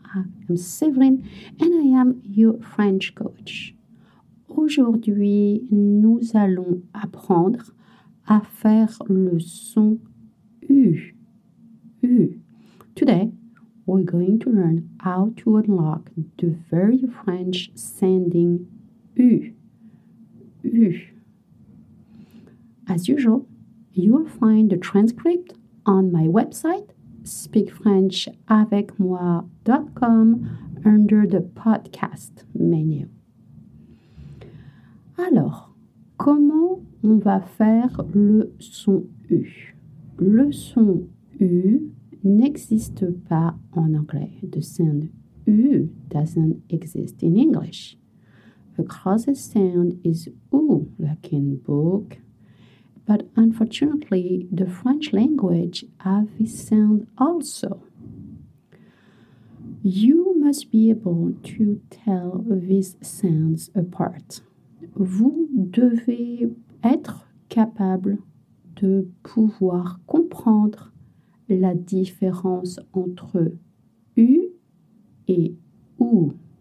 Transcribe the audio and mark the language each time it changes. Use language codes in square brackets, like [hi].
[en] I'm Séverine and I am your French coach. [fr] Aujourd'hui, nous allons apprendre à faire le son U. U. [en] Today, we're going to learn how to unlock the very French sounding U. U. As usual, you'll find the transcript on my website, speakfrenchavecmoi.com, under the podcast menu. [fr] Alors, comment on va faire le son U? Le son U n'existe pas en anglais. [en] The sound U doesn't exist in English. The closest sound is U, like in book. But unfortunately, the French language have this sound also. You must be able to tell these sounds apart. [fr] Vous devez être capable de pouvoir comprendre la différence entre U et OU.